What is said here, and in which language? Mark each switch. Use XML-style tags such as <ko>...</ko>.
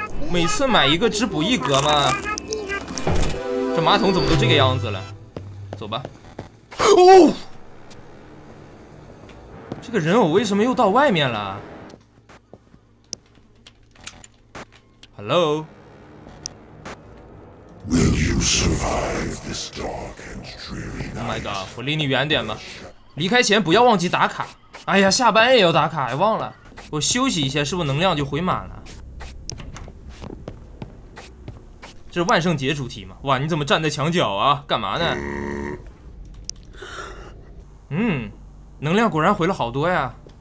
<zh>每次买一个只补一格吗？这马桶怎么都这个样子了？走吧。哦，这个人偶为什么又到外面了 ？</zh> <en>Hello。 Will you survive this dark and dreary night? Oh my god！</en> <zh>我离你远点吧。离开前不要忘记打卡。哎呀，下班也要打卡，还忘了。我休息一下，是不是能量就回满了？这是万圣节主题吗？哇，你怎么站在墙角啊？干嘛呢？嗯，能量果然回了好多呀。</zh>